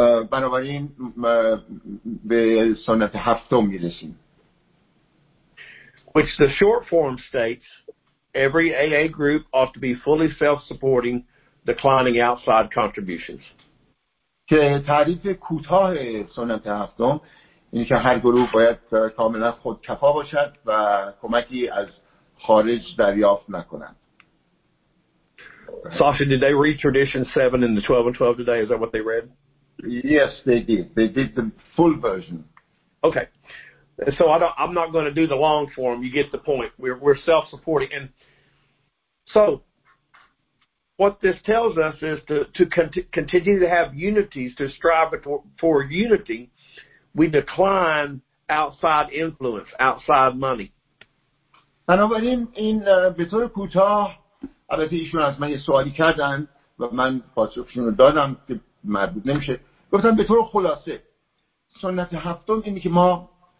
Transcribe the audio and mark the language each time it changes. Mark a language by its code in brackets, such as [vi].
[fa] بنابراین به سنت هفتم میرسیم. [en] Which the short form states, every AA group ought to be fully self-supporting, declining outside contributions. [fa] که تعریف کوتاه سنت هفتم اینه که هر گروه باید کاملا خودکفا باشد و کمکی از خارج دریافت نکنند. [en] Sasha, did they read tradition 7 in the 12 and 12 today? Is that what they read? Yes, they did. They did the full version. Okay. So I'm not going to do the long form. You get the point. We're self-supporting. And so what this tells us is to continue to have unity, to strive for unity, we decline outside influence, outside money. [fa] بنابراین این به طور کوتاه، البته ایشون از من یه سوالی کردن و من پاسخشون رو دادم که مربوط نمیشه. گفتم به طور خلاصه سنت هفتم اینه که ما